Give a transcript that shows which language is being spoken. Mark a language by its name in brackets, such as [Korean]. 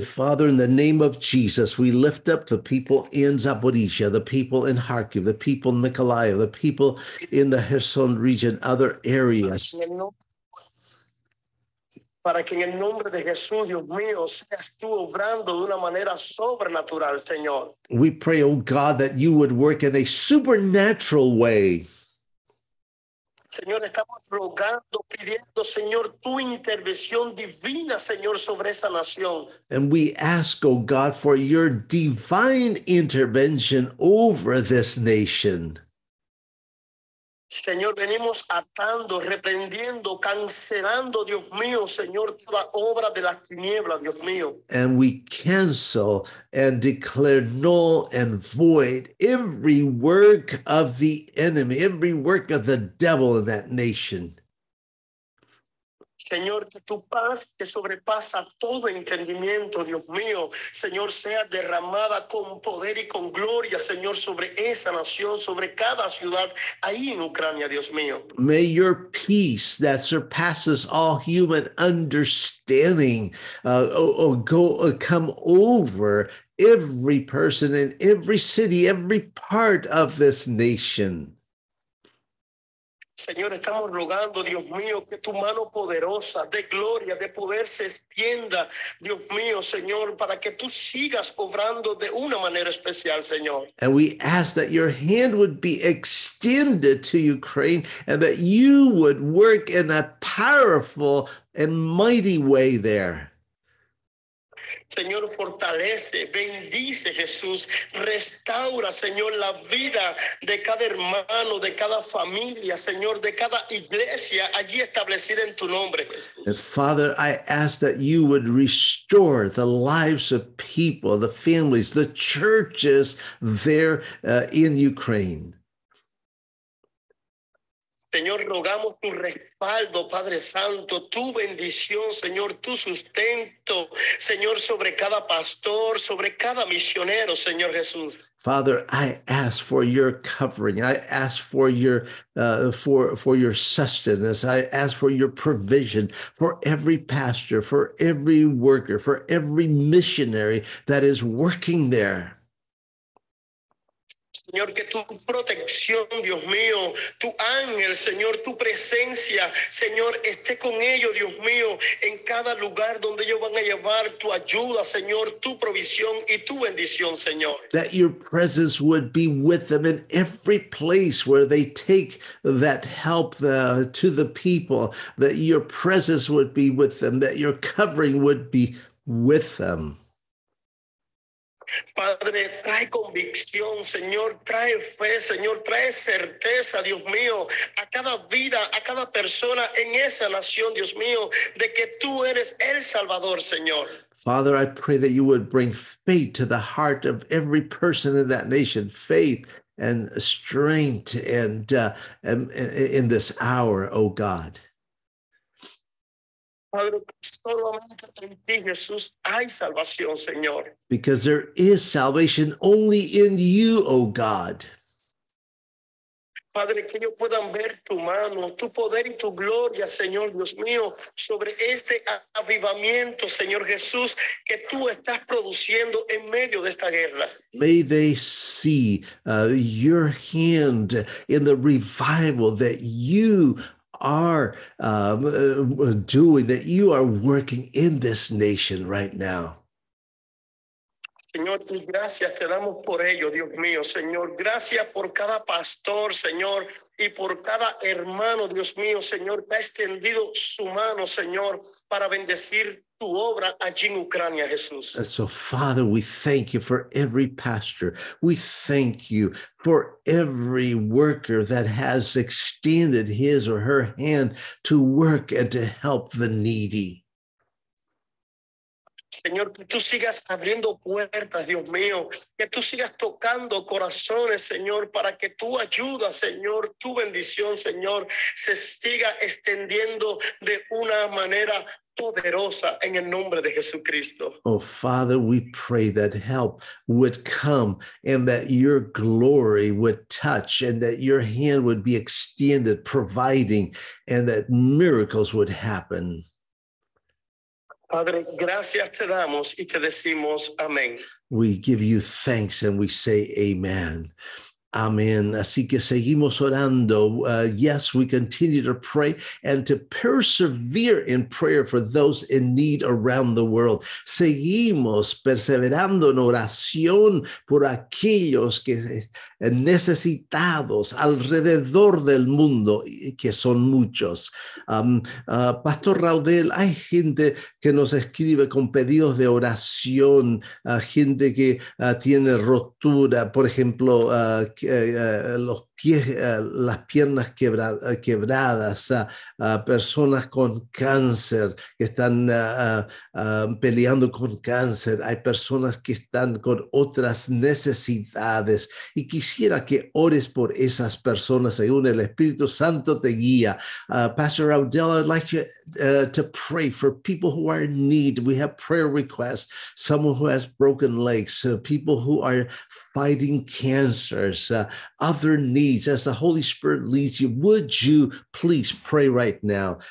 [English] Father, in the name of Jesus, we lift up the people in Zaporizhia, the people in Kharkiv, the people in Mykolaiv, the people in the Kherson region, other areas. [Spanish] Para que en el nombre de Jesús, Dios mío, seas tú obrando de una manera sobrenatural, Señor. [English] We pray, oh God, that you would work in a supernatural way. [Spanish] Señor, estamos rogando, pidiendo, Señor, tu intervención divina, Señor, sobre esa nación. [English] And we ask, oh God, for your divine intervention over this nation. [Spanish] Señor, venimos atando, reprendiendo, cancelando, Dios mío, Señor, toda obra de las tinieblas, Dios mío. [English] And we cancel and declare null and void every work of the enemy, every work of the devil in that nation. [Spanish] Señor, que tu paz que sobrepasa todo entendimiento, Dios mío, Señor, sea derramada con poder y con gloria, Señor, sobre esa nación, sobre cada ciudad ahí en Ucrania, Dios mío. [English] May your peace that surpasses all human understanding come over every person in every city, every part of this nation. [Spanish] Señor, estamos rogando, Dios mío, que tu mano poderosa de gloria, de poder se extienda, Dios mío, Señor, para que tú sigas obrando de una manera especial, Señor. [English] And we ask that your hand would be extended to Ukraine and that you would work in a powerful and mighty way there. [Spanish] Señor, fortalece, bendice, Jesús, restaura, Señor, la vida de cada hermano, de cada familia, Señor, de cada iglesia allí establecida en tu nombre, Jesús. [English] And Father, I ask that you would restore the lives of people, the families, the churches there in Ukraine. [Spanish] Señor, rogamos tu respaldo, Padre Santo, tu bendición, Señor, tu sustento, Señor, sobre cada pastor, sobre cada misionero, Señor Jesús. [English] Father, I ask for your covering. I ask for your sustenance. I ask for your provision for every pastor, for every worker, for every missionary that is working there. [Spanish] Señor, que tu protección, Dios mío, tu ángel, Señor, tu presencia, Señor, esté con ellos, Dios mío, en cada lugar donde ellos van a llevar tu ayuda, Señor, tu provisión y tu bendición, Señor. [English] That your presence would be with them in every place where they take that help to the people, that your presence would be with them, that your covering would be with them. [Spanish] Padre, trae convicción, Señor, trae fe, Señor, trae certeza, Dios mío, a cada vida, a cada persona en esa nación, Dios mío, de que tú eres el Salvador, Señor. [English] Father, I pray that you would bring faith to the heart of every person in that nation, faith and strength and in this hour, oh God. Because there is salvation only in you, O God. [Spanish] Padre, que ellos puedan ver tu mano, tu poder y tu gloria, Señor Dios mío, sobre este avivamiento, Señor Jesús, que tú estás produciendo en medio de esta guerra. [English] May they see your hand in the revival that you are doing, that you are working in this nation right now. [Spanish] Señor, y gracias te damos por ello, Dios mío. Señor, gracias por cada pastor, Señor, y por cada hermano, Dios mío, Señor, que ha extendido su mano, Señor, para bendecir tu obra allí en Ucrania, Jesús. [English] And so, Father, we thank you for every pastor. We thank you for every worker that has extended his or her hand to work and to help the needy. [Spanish] Señor, que tú sigas abriendo puertas, Dios mío, que tú sigas tocando corazones, Señor, para que tu ayuda, Señor, tu bendición, Señor, se siga extendiendo de una manera poderosa en el nombre de Jesucristo. [English] Oh, Father, we pray that help would come and that your glory would touch and that your hand would be extended, providing, and that miracles would happen. [Spanish] Padre, gracias te damos y te decimos amén. [English] We give you thanks and we say amen. Amen. [Spanish] Así que seguimos orando. [English] Yes, we continue to pray and to persevere in prayer for those in need around the world. [Spanish] Seguimos perseverando en oración por aquellos que necesitados alrededor del mundo, que son muchos. Pastor Raudel, hay gente que nos escribe con pedidos de oración, gente que tiene rotura, por ejemplo, los pies, las piernas quebradas, personas con cáncer que están peleando con cáncer, hay personas que están con otras necesidades y quisiera que ores por esas personas según el Espíritu Santo te guía. [English] Pastor Raudel, I'd like you to pray for people who are in need. We have prayer requests, someone who has broken legs, people who are fighting cancers, other needs. As the Holy Spirit leads you, would you please pray right now?